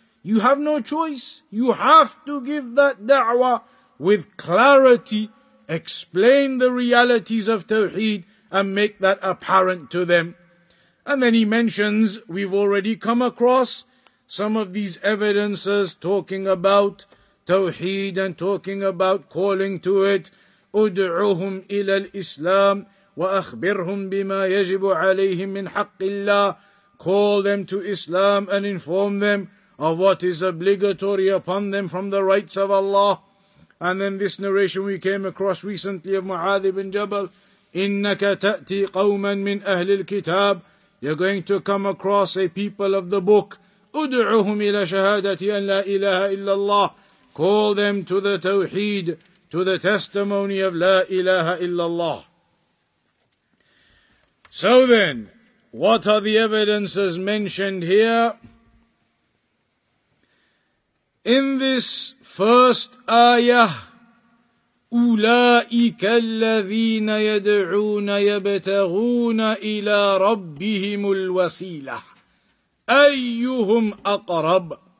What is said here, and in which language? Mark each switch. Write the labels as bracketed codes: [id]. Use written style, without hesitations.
[en] You have no choice. You have to give that da'wah with clarity, explain the realities of tawheed, and make that apparent to them. And then he mentions, we've already come across some of these evidences talking about tawheed and talking about calling to it. [ar] أدعوهم إلى الإسلام وأخبرهم بما يجب عليهم من حق الله. [en] Call them to Islam and inform them of what is obligatory upon them from the rights of Allah. And then this narration we came across recently of Mu'adh ibn Jabal. [ar] إنك تأتي قوما من أهل الكتاب. [en] You're going to come across a people of the book. [ar] أدعوهم إلى شهادة أن لا إله إلا الله. [en] Call them to the Tawheed, to the testimony of La ilaha illallah. So then, what are the evidences mentioned here? In this first ayah, [ar] أُولَٰئِكَ الَّذِينَ يَدْعُونَ يَبْتَغُونَ إِلَىٰ رَبِّهِمُ الْوَسِيلَةِ أَيُّهُمْ أَقْرَبُ.